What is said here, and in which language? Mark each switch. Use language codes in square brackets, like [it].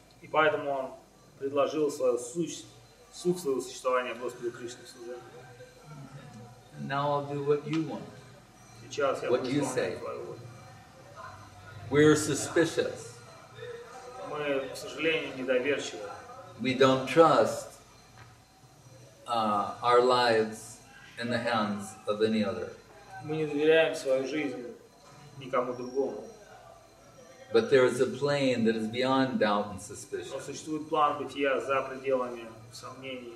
[ru] И поэтому он предложил свою суть, суть своего существования Господу Кришне в служении. [en] And now I'll do what you want. What do you say? We're suspicious. [ru] Мы, к сожалению, недоверчивы. [en] We don't trust our lives in the hands of any other. [ru] Мы не доверяем свою жизнь никому другому. [en] But there is a plane that is beyond doubt and suspicion. [ru] Но существует план бытия за пределами сомнений.